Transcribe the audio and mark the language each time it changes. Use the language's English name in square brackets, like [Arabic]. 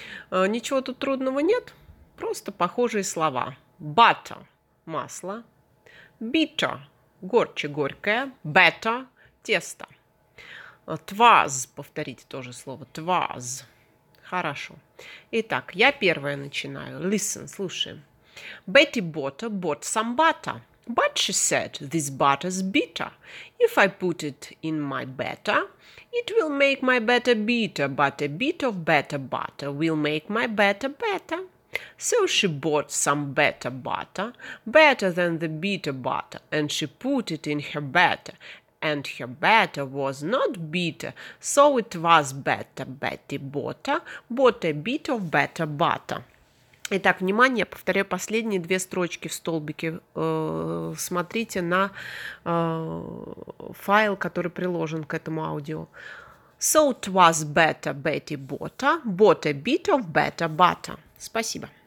[Russian] Ничего тут трудного нет, просто похожие слова. Бата — масло, bitter — горче-горькое, better — тесто. Twas — повторите тоже слово, twas. Хорошо. Итак, я первая начинаю. [English] Listen, слушай. Betty Botta bought some butter. But she said, this butter's bitter. If I put it in my batter, it will make my batter bitter. But a bit of better butter will make my batter better. So she bought some better butter, better than the bitter butter, and she put it in her batter. And her batter was not bitter, so it was better. Betty Botta bought a bit of better butter. [Russian] Итак, внимание, повторяю последние две строчки в столбике. Смотрите на файл, который приложен к этому аудио. [English] So it was better, Betty Botta bought a bit of better butter. [Russian] Спасибо.